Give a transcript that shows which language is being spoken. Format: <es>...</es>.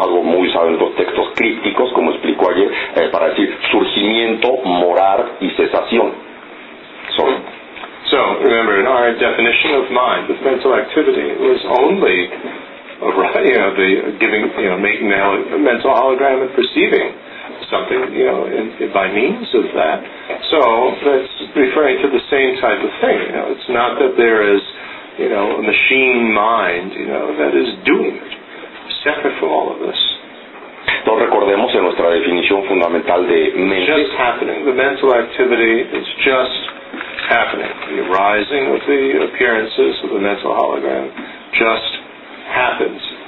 <es>Algo muy usado en los textos crípticos, como explicó ayer, para decir surgimiento, morar y cesación.</es> <en>So, remember, in our definition of mind, the mental activity was only, the giving, making a mental hologram and perceiving something, by means of that. So that's referring to the same type of thing. It's not that there is, a machine mind, that is doing it, separate from all of this.</en> <es>Entonces recordemos en nuestra definición fundamental de mente.</es> <en>It's just happening. The mental activity is just happening. The arising of the appearances of the mental hologram just happens.</en>